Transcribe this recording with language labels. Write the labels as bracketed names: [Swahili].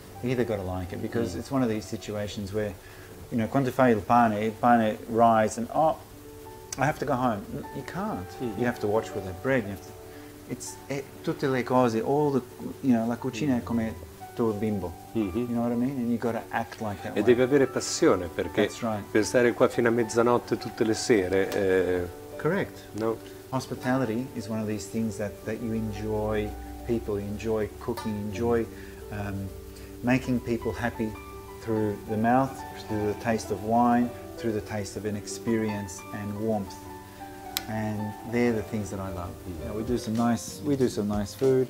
[English] You either got to like it, because it's one of these situations where, you know, [Italian] quando fai il pane [English] rise and, oh, I have to go home. You can't. Mm-hmm. You have to watch with that bread. [Italian] Tutte le cose, [English] all the, you know, [Italian] la cucina è come tuo bimbo. [English] Mm-hmm. You know what I mean? And you got to act like that. [Italian] E devi avere passione, perché per stare qua fino a mezzanotte tutte le sere. [English] Correct. No. Hospitality is one of these things that you enjoy. People enjoy cooking, enjoy making people happy through the mouth, through the taste of wine, through the taste of inexperience and warmth. And they're the things that I love. Yeah. Now, we do some nice food.